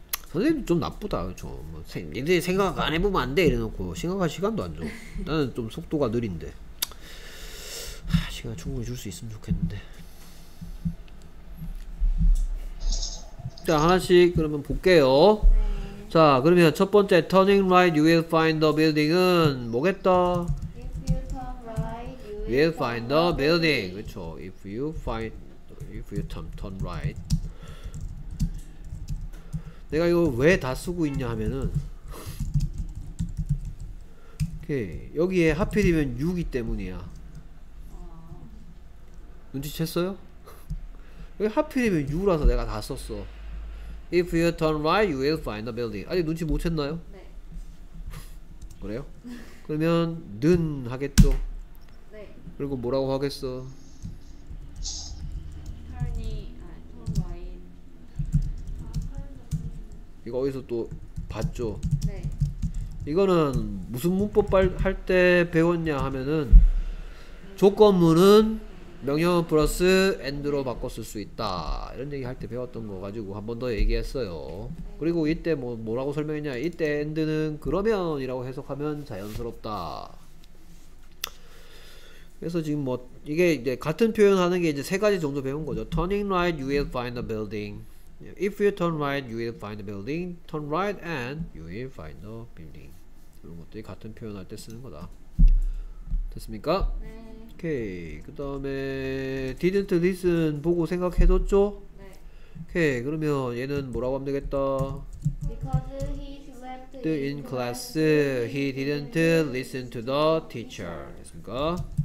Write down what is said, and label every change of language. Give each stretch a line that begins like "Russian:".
Korean: 선생님 좀 나쁘다. 그렇죠? 얘들 생각 안 해보면 안 돼 이래놓고 생각할 시간도 안 줘. 나는 좀 속도가 느린데 시간 충분히 줄 수 있으면 좋겠는데. 자, 하나씩 그러면 볼게요. 네. 자, 그러면 첫 번째
English: turning right you will find the building은
Korean: 뭐겠다?
English: If you turn right you will find the building.
Korean: 그렇죠.
English: If you find if you turn right.
Korean: 내가 이거 왜 다 쓰고 있냐 하면은 오케이. 여기에 하필이면 6이 때문이야. 눈치챘어요? 여기 하필이면 6라서 내가 다 썼어.
English: If you turn right, you will find the building.
Korean: 아직 눈치 못 챘나요? 네. 그래요? 그러면 는 하겠죠? 네. 그리고 뭐라고 하겠어?
English: Turn right.
Korean: 이거 어디서 또 봤죠? 네. 이거는 무슨 문법 할 때 배웠냐 하면은 조건문은 명령어 플러스 and로 바꿔 쓸 수 있다 이런 얘기 할 때 배웠던 거 가지고 한 번 더 얘기했어요. 그리고 이때 뭐 뭐라고 설명했냐, 이때 and는 그러면 이라고 해석하면 자연스럽다. 그래서 지금 뭐 이게 이제 같은 표현하는 게 이제 세 가지 정도 배운 거죠.
English: turning right you will find the building, if you turn right you will find the building, turn right and you will find the building.
Korean: 이런 것들이 같은 표현할 때 쓰는 거다. 됐습니까? 네. 오케이. 그 다음에
English: didn't listen
Korean: 보고 생각해뒀죠? 네. 오케이. 그러면 얘는 뭐라고 하면 되겠다?
English: Because he slept in class, he didn't listen to the teacher.
Korean: 됐습니까?